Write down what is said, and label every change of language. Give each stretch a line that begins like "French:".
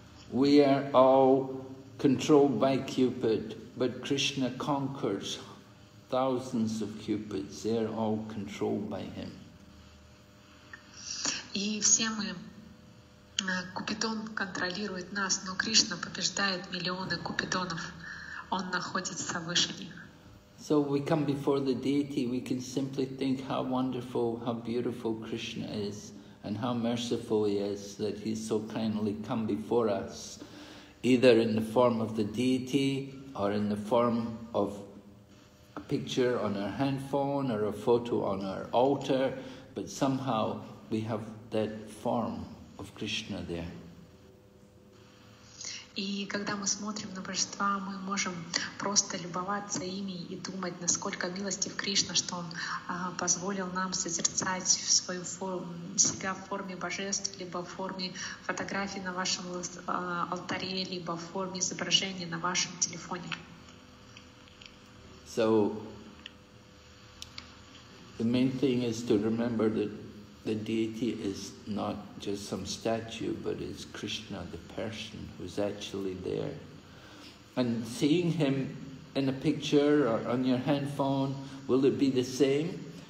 English: We are all controlled by Cupid, but Krishna conquers thousands of Cupids. They are all controlled by him.
Russian: И все мы, купидон контролирует нас, но Кришна побеждает миллионы купидонов. Он находится выше них.
English: So we come before the deity, we can simply think how wonderful, how beautiful Krishna is, and how merciful he is that he's so kindly come before us, either in the form of the deity, or in the form of a picture on our handphone, or a photo on our altar, but somehow we have that form of Krishna there.
Russian: И когда мы смотрим на божества, мы можем просто любоваться ими и думать, насколько милостив Кришна, что он позволил нам созерцать свою себя в форме божеств, либо в форме фотографий на вашем алтаре, либо в форме изображения на вашем телефоне.
English: So, the main thing is to remember that the deity is not just some statue, but it's Krishna, the person who's actually there. And seeing him in a picture or on your handphone, will it be the same?